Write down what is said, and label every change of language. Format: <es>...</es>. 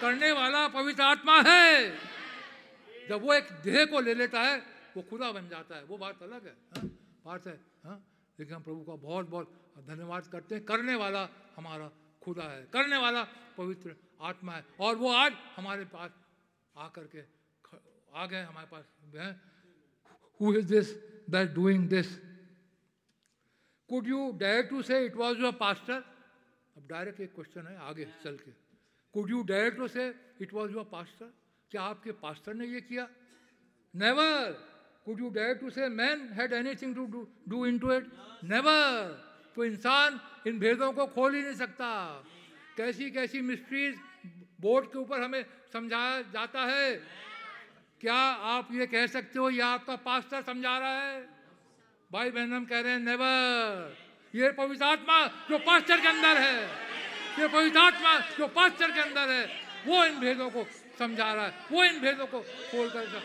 <hi>करने वाला पवित्र आत्मा है। जब वो एक देह को ले लेता है वो खुदा बन जाता है, वो बात अलग है, बात है। लेकिन हम प्रभु का बहुत बहुत धन्यवाद करते हैं, करने वाला हमारा खुदा है, करने वाला पवित्र आत्मा है, और वो आज हमारे पास आकर के आ गए हमारे पास.</hi> <en>Who is this that doing this? Could you dare to say it was your pastor?</en> <hi>अब डायरेक्ट एक क्वेश्चन है आगे चल के.</hi> <en>Could you dare to say it was your pastor?</en> <hi>क्या आपके पास्टर ने ये किया?</hi> <en>Never. Could you dare to say man had anything to do into it? Never.</en> <hi>तो इंसान इन भेदों को खोल ही नहीं सकता. कैसी कैसी मिस्ट्रीज बोर्ड के ऊपर हमें समझाया जाता है. क्या आप ये कह सकते हो यह आपका पास्टर समझा रहा है? भाई बहन हम कह रहे हैं नेवर. ये पवित्र आत्मा जो पास्टर के अंदर है, ये पवित्र आत्मा जो पास्टर के अंदर है, वो इन भेदों को समझा रहा है, वो इन भेदों को खोल कर.</hi>